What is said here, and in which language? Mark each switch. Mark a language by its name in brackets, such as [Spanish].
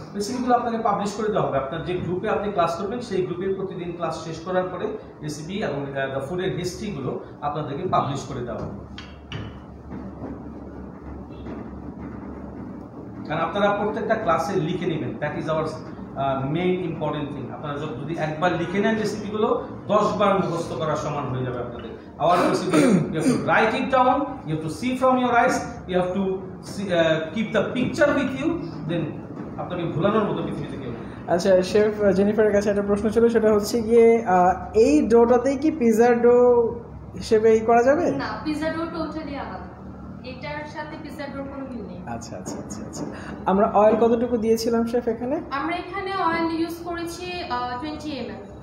[Bangla] রেসিপিগুলো আপনাকে পাবলিশ করে দেওয়া হবে, আপনার যে গ্রুপে আপনি ক্লাস করবেন সেই গ্রুপের প্রতিদিন ক্লাস শেষ করার পরে রেসিপি এবং দ্য ফুডের হিস্ট্রিগুলো আপনাদেরকে পাবলিশ করে দেওয়া হবে। কারণ আপনারা প্রত্যেকটা ক্লাসে লিখে নেবেন, [English] That is our main important thing. [Bangla] আপনারা যদি একবার লিখে নেন রেসিপিগুলো, 10 বার মুখস্থ করা সমান হয়ে যাবে আপনাদের। [English] Our procedure, you have to write it down, you have to see from your eyes, you have to see, keep the picture with you, then [Bangla] আপনাকে ভুলানোর মতো কিছু নেই। আচ্ছা শেফ জেনিফারের কাছে একটা প্রশ্ন ছিল, সেটা হচ্ছে গিয়ে এই ডোটাতে কি পিজার ডো হিসেবে করা যাবে? না, পিজার ডো তো উঠে দেওয়া হবে, এটার সাথে পিজার ডোর কোনো মিল নেই। আচ্ছা আচ্ছা আচ্ছা আচ্ছা, আমরা অয়েল কতটুকু দিয়েছিলাম শেফ এখানে? আমরা এখানে অয়েল ইউজ করেছি 20 ml।